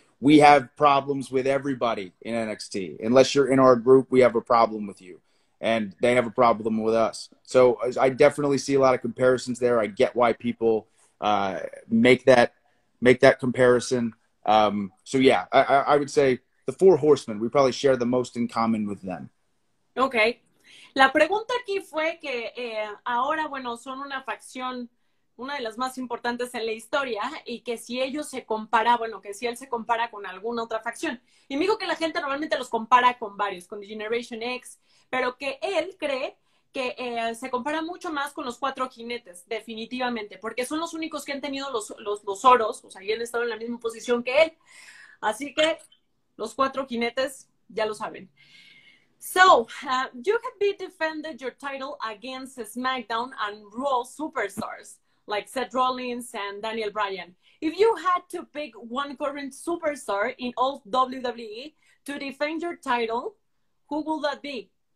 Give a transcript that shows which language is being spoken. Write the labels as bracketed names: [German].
[English] We have problems with everybody in NXT. Unless you're in our group, we have a problem with you. And they have a problem with us. So I definitely see a lot of comparisons there. I get why people make that comparison. I would say the Four Horsemen, we probably share the most in common with them. Okay. [Spanish] La pregunta aquí fue que ahora, bueno, son una facción, una de las más importantes en la historia, y que si ellos se compara, bueno, que si él se compara con alguna otra facción. Y me dijo que la gente normalmente los compara con varios, con The Generation X, pero que él cree que se compara mucho más con los cuatro jinetes, definitivamente, porque son los únicos que han tenido los oros, o sea, y han estado en la misma posición que él. Así que los cuatro jinetes ya lo saben. [English] So, you have been defended your title against SmackDown and Raw superstars like Seth Rollins and Daniel Bryan. If you had to pick one current superstar in all WWE to defend your title, who will that be?